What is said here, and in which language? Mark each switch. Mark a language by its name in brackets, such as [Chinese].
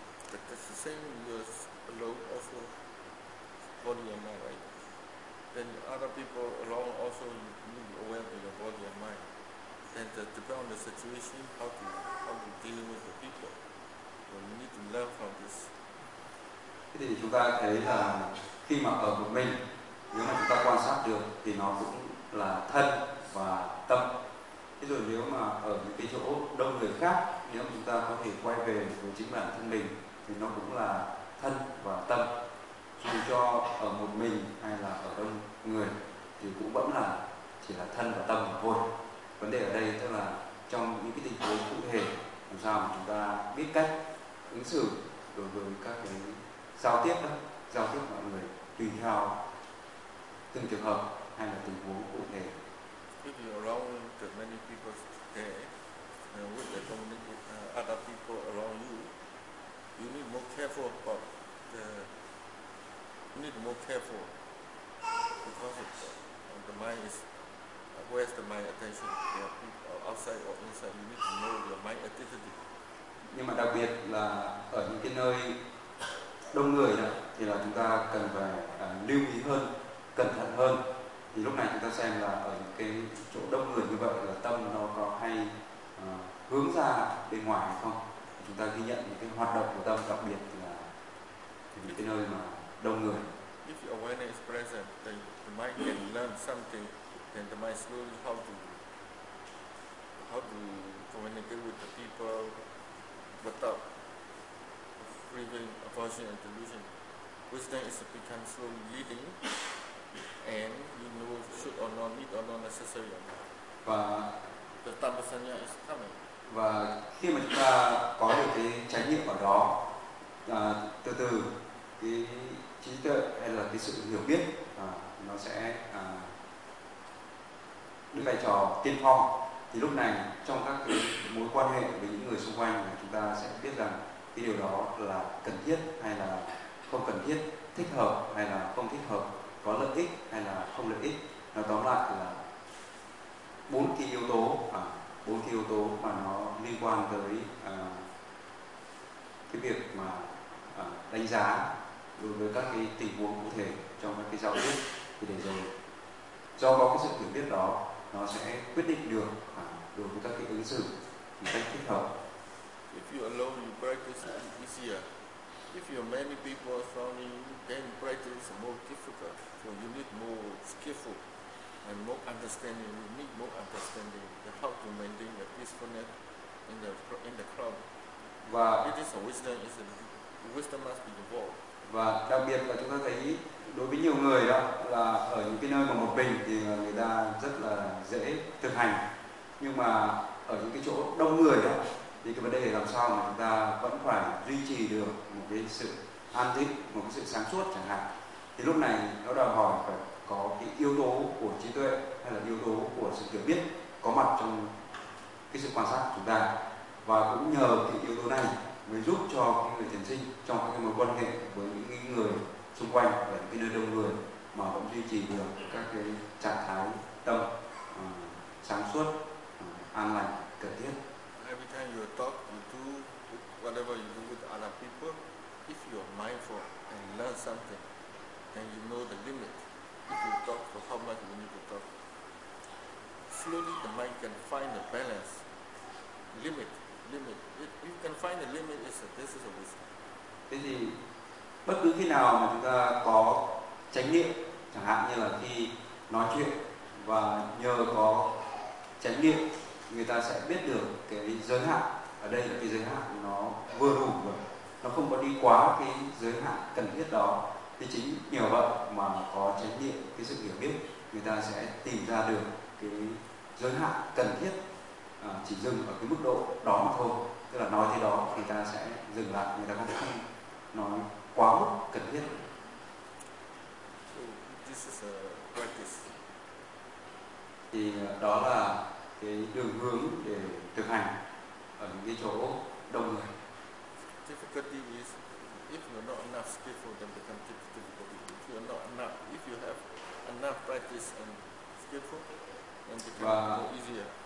[English] But that's the same with alone also, body and mind, right? Then other people alone also need to be aware of your body and mind. And depending on the situation, how to deal with the people. So you need to learn from this. [Vietnamese] Thì chúng ta thấy là khi mà ở một mình, nếu mà chúng ta quan sát được thì nó cũng là thân và tâm. Thế rồi nếu mà ở những cái chỗ đông người khác, nếu mà chúng ta có thể quay về với chính bản thân mình thì nó cũng là thân và tâm. Dù cho ở một mình hay là ở đông người thì cũng vẫn là chỉ là thân và tâm mà thôi. Vấn đề ở đây tức là trong những cái tình huống cụ thể, làm sao mà chúng ta biết cách ứng xử đối với các cái giao tiếp mọi người tùy theo từng trường hợp hay là tình huống cụ thể. [English] If you're around the many people there, with the community, other people around you, you need more careful about the, you need more careful because the mind is, where's the mind attention? Outside or inside, you need to know your mind activity. [Vietnamese] Nhưng mà đặc biệt là ở những cái nơi đông người này, thì là chúng ta cần phải lưu ý hơn, cẩn thận hơn. Thì lúc này chúng ta xem là ở những cái chỗ đông người như vậy là tâm nó có hay hướng ra bên ngoài hay không. Chúng ta ghi nhận những cái hoạt động của tâm, đặc biệt là những cái nơi mà đông người. [English] If your awareness is present, then the mind can learn something, then the mind slowly how to communicate with the people without creating aversion and delusion, which then is become slowly leading, and you know should or not need or not necessary. [Vietnamese] Và [English] the tamasanya is coming. [Vietnamese] Và khi mà chúng ta có được cái trải nghiệm ở đó, từ từ cái trí tuệ hay là cái sự hiểu biết nó sẽ đứng vai trò tiên phong. Thì lúc này trong các cái mối quan hệ với những người xung quanh, chúng ta sẽ biết rằng cái điều đó là cần thiết hay là không cần thiết, thích hợp hay là không thích hợp, có lợi ích hay là không lợi ích. Nó tóm lại là bốn cái yếu tố mà nó liên quan tới cái việc mà đánh giá đối với các cái tình huống cụ thể trong các cái giao tiếp. Thì để rồi do có cái sự hiểu biết đó, nó sẽ quyết định được đối với các cái ứng xử một cách thích hợp. [English] If you're alone, you practice easier. If you're many people surrounding you, then practice more difficult. So you need more skillful and more understanding. You need more understanding how to maintain the peacefulness in the crowd. [Vietnamese] Và [English] it is a wisdom. Wisdom must be involved. [Vietnamese] Và đặc biệt là chúng ta thấy đối với nhiều người đó là ở những cái nơi mà một mình thì người ta rất là dễ thực hành. Nhưng mà ở những cái chỗ đông người đó, thì cái vấn đề là làm sao mà chúng ta vẫn phải duy trì được một cái sự an tĩnh, một cái sự sáng suốt chẳng hạn. Thì lúc này nó đòi hỏi phải có cái yếu tố của trí tuệ hay là yếu tố của sự hiểu biết có mặt trong cái sự quan sát của chúng ta. Và cũng nhờ cái yếu tố này mới giúp cho cái người thiền sinh trong các cái mối quan hệ với những người xung quanh và những cái nơi đông người mà vẫn duy trì được các cái trạng thái tâm sáng suốt, an lành, cần thiết. [English] Every time you talk, you do whatever you do with other people, if you are mindful and learn something, and you know the limit. If you talk for how much you need to talk, slowly the mind can find a balance. Limit. You can find the limit. This is a wisdom. [Vietnamese] Thế thì bất cứ khi nào mà chúng ta có chánh niệm, chẳng hạn như là khi nói chuyện, và nhờ có chánh niệm người ta sẽ biết được cái giới hạn. Ở đây là cái giới hạn nó vừa đủ và nó không có đi quá cái giới hạn cần thiết đó. Thì chính nhờ vậy mà có chánh niệm, cái sự hiểu biết, người ta sẽ tìm ra được cái giới hạn cần thiết, chỉ dừng ở cái mức độ đó mà thôi. Tức là nói thế đó thì ta sẽ dừng lại, người ta có thể nói quá mức cần thiết. [English] So, this is a practice. [Vietnamese] Thì đó là cái đường hướng để thực hành ở những cái chỗ đông người. [English] Difficulty is if you're not enough skillful, then become difficulty. If you're not enough, if you have enough practice and skillful, then become easier.